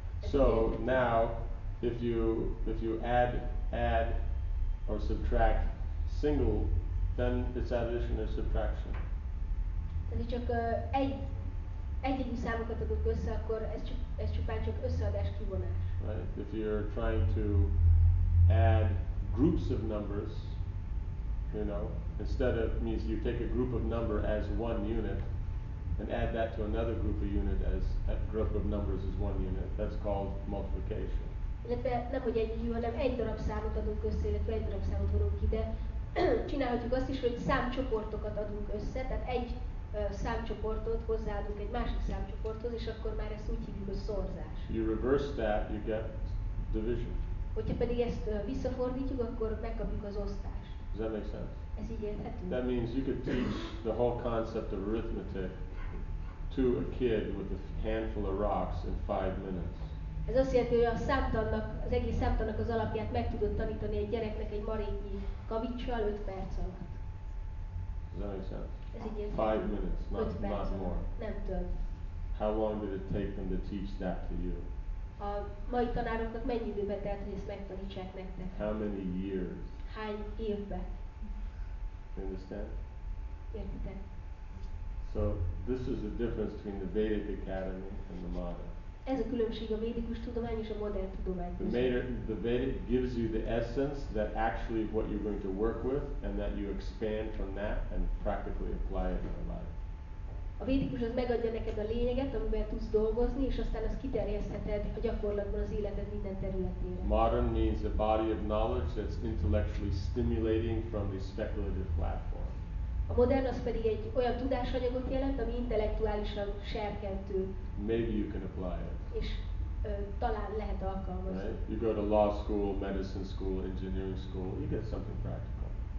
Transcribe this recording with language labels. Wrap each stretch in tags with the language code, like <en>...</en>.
<en>So now, if you add or subtract single, then it's addition or subtraction.</en> <hu>Tehát csak egyedi számokat adok össze, akkor ez csupán csak összeadás kivonás.</hu> <en>Right. If you're trying to add groups of numbers, you know, instead of means you take a group of number as one unit. And add that to another group of unit as a group of numbers as one unit. That's called multiplication.</en> <hu>Nem hogy egy unit, hanem egy darab számot adunk össze, illetve egy darab számot vonunk ide. Csinálhatjuk azt is, hogy számcsoportokat adunk össze, tehát egy számcsoportot hozzáadunk egy másik számcsoporthoz, és akkor már ezt úgy hívjuk, hogy szorzás.</hu> <en>You reverse that, you get division.</en> <hu>Hogyha pedig ezt visszafordítjuk, akkor megkapjuk az osztást.</hu> <en>Does that make sense?</en> <hu>Ez így érthető.</hu> <en>That means you could teach the whole concept of arithmetic to a kid with a handful of rocks in 5 minutes.</en> <hu>Ez azt jelenti, hogy az egész számtannak az alapját meg tudod tanítani egy gyereknek egy maréknyi kavicssal 5 perc alatt.</hu> <en>Does that make sense?</en> <hu>Ez így érthető.</hu> <en>5 minutes, not more.</en> <hu>Nem több.</hu> <en>How long did it take them to teach that to you?</en> <hu>A mai tanároknak mennyi időbe telt, hogy ezt megtanítsák nektek?</hu> <en>How many years?</en> <hu>Hány évbe?</hu> <en>You understand?</en> <hu>Értitek.</hu> <en>So this is the difference between the Vedic Academy and the modern.</en> <hu>Ez a különbség a védikus tudomány és a modern tudomány.</hu> <en>The Vedic gives you the essence that actually what you're going to work with and that you expand from that and practically apply it in your life.</en> <hu>A védikus az megadja neked a lényeget, amivel tudsz dolgozni, és aztán azt kiterjesztheted a gyakorlatban az életed minden területére.</hu> <en>Modern means a body of knowledge that's intellectually stimulating from the speculative platform.</en> <hu>A modern az pedig egy olyan tudásanyagot jelent, ami intellektuálisan serkentő.</hu> <en>Maybe you can apply it.</en> <hu>És talán lehet alkalmazni.</hu> <en>Right? You go to law school, medicine school, engineering school, you get something practical.</en>